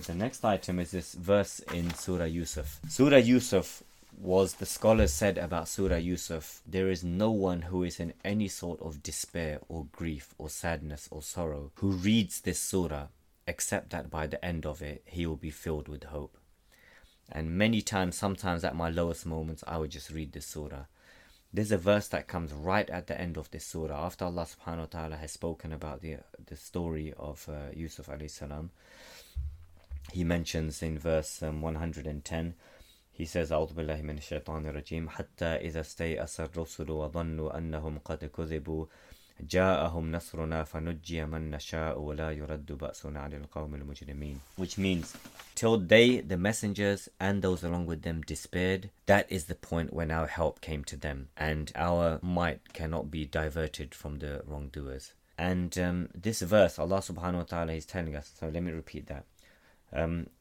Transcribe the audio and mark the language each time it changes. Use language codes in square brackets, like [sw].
[en] The next item is this verse in Surah Yusuf. Surah Yusuf was, the scholars said about Surah Yusuf, there is no one who is in any sort of despair or grief or sadness or sorrow who reads this surah, except that by the end of it, he will be filled with hope. And many times, sometimes at my lowest moments, I would just read this surah. There's a verse that comes right at the end of this surah, after Allah subhanahu wa ta'ala has spoken about the story of Yusuf alayhi salam. He mentions in verse 110, he says, [ar] أعوذ بالله من الشيطان الرجيم حتى إذا استيأس الرسل وظنوا أنهم قد كذبوا جاءهم نصرنا فنجي من نشاء ولا يرد بأسنا على القوم المجرمين. [en] Which means, till they, the messengers, and those along with them despaired, that is the point when our help came to them, and our might cannot be diverted from the wrongdoers. And this verse, Allah subhanahu wa ta'ala is telling us, so let me repeat that.